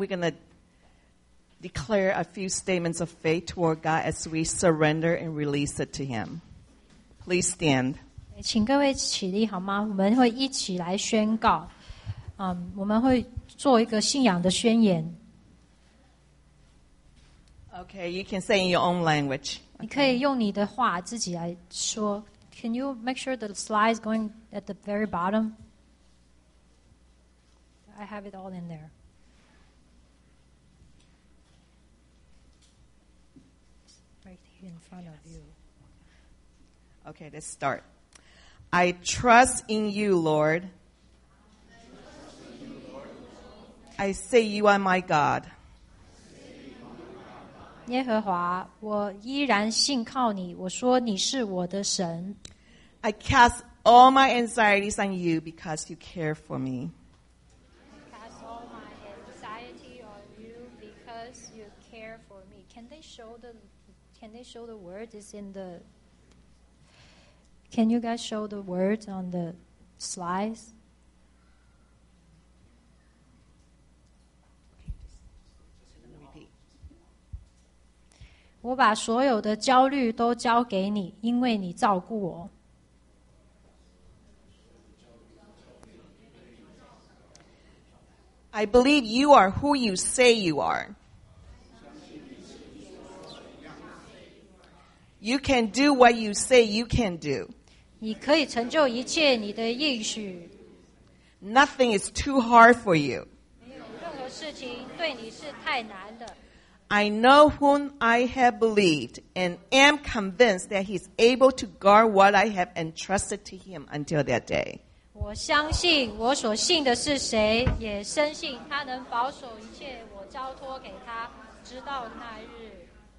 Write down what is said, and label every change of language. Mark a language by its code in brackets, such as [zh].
[en] We're going to declare a few statements of faith toward God as we surrender and release it to Him. Please stand. [zh] 请各位起立好吗？我们会一起来宣告，我们会做一个信仰的宣言。 [en] Okay, you can say in your own language. [zh] 你可以用你的话自己来说。 [en] Can you make sure the slide is going at the very bottom? I have it all in there. Right here in front of you. Okay, let's start. I trust in you, Lord. I say you are my God. [zh] 耶和华，我依然信靠你，我说你是我的神。 [en] I cast all my anxieties on you because you care for me. I cast all my anxiety on you because you care for me. Can they show the word is in the... Can you guys show the words on the slides? Okay, just repeat. I give all my anxiety to you. I believe you are who you say you are. You can do what you say you can do. [zh] 你可以成就一切你的应许。 [en] Nothing is too hard for you. [zh] 没有任何事情对你是太难的。 [en] I know whom I have believed and am convinced that he's able to guard what I have entrusted to him until that day. [zh] 我相信我所信的是谁，也深信他能保守一切我交托给他，直到那日。